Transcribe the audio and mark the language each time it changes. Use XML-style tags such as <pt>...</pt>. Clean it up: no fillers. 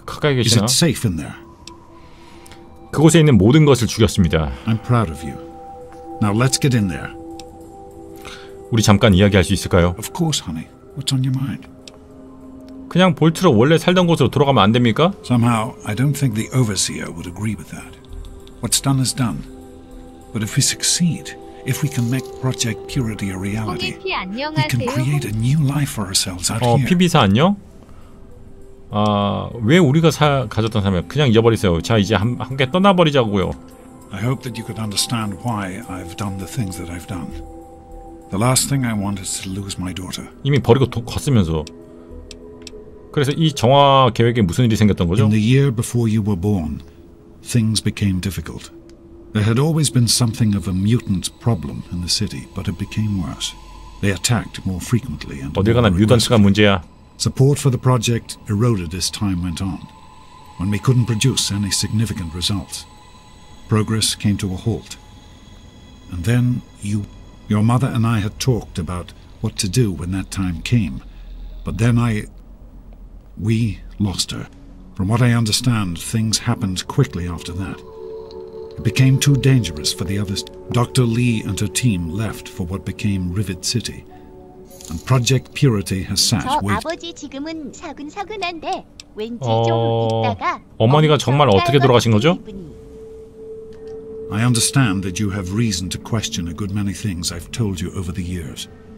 <ko>가까이 계시나?</ko> <en>Is it safe in there?</en> <ko>그곳에 있는 모든 것을 죽였습니다.</ko> <en>I'm proud of you. Now let's get in there.</en> <ko>우리 잠깐 이야기할 수 있을까요?</ko> <en>Of course, honey. What's on your mind?</en> <ko>그냥 볼트로 원래 살던 곳으로 돌아가면 안 됩니까?</ko> <en>Somehow, I don't think the overseer would agree with that. What's done is done. But if we succeed. If we can make Project Purity a reality, we can create a new life for ourselves out here.</en> <ko>피비사 안녕? 아, 왜 우리가 가졌던 삶을 그냥 잊어버리세요. 자, 이제 함께 떠나버리자고요.</ko> <en>I hope that you could understand why I've done the things that I've done. The last thing I want is to lose my daughter.</en> <ko>이미 버리고 갔으면서. 그래서 이 정화 계획에 무슨 일이 생겼던 거죠?</ko> <en>In the year before you were born, things became difficult. There had always been something of a mutant problem in the city, but it became worse. They attacked more frequently and more aggressively. Support for the project eroded as time went on, when we couldn't produce any significant results. Progress came to a halt. And then your mother and I had talked about what to do when that time came. But then we lost her. From what I understand, things happened quickly after that. It became too dangerous for the others. Dr. Lee and her team left for what became Rivet City. And Project Purity has sat waiting.</en> <ko>아버지 지금은 사근사근한데 왠지 좀 있다가 어머니가 정말 어떻게 돌아가신 거죠?</ko> <en>I understand that you have reason to question a good many things I've told you over the years.</en>